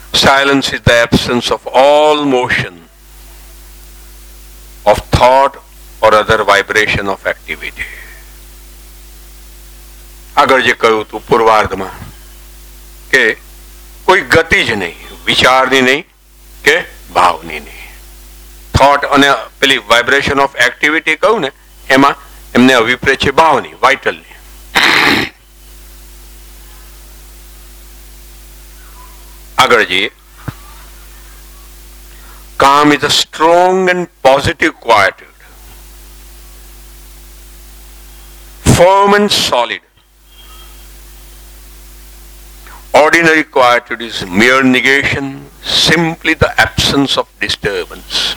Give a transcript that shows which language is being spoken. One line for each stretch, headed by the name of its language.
English: silence is the absence of all motion of thought or other vibration of activity.
Gujarati: આગળ જે કહ્યું તું પૂર્વાર્ધમાં કે કોઈ ગતિ જ નહીં, વિચારની નહીં કે ભાવની નહીં, થોટ અને પેલી
English: vibration of activity
Gujarati: કહું ને એમાં એમને અભિપ્રે છે ભાવની, વાઇટલની. આગળ જઈએ.
English: Calm is a strong and positive quietude, firm and solid. Ordinary quietude is mere negation, simply the absence of disturbance.